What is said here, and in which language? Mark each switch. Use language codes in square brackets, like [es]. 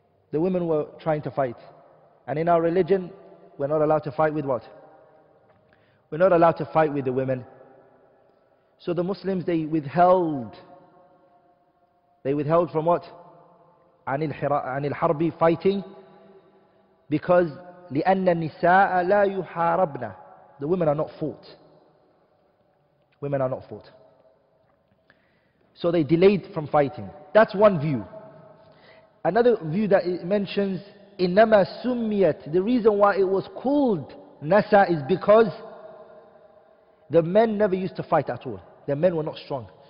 [en] The women were trying to fight. And in our religion, we're not allowed to fight with what? We're not allowed to fight with the women. So the Muslims, they withheld. They withheld from what? [ar] Anil harbi, fighting. [en] Because [ar] لِأَنَّ النِّسَاءَ لَا يُحَارَبْنَا. [en] The women are not fought. Women are not fought. So they delayed from fighting. That's one view. Another view that it mentions, [ar] إِنَّمَا سُمِّيَتْ. [en] The reason why it was called Nasa is because the men never used to fight at all. The men were not strong.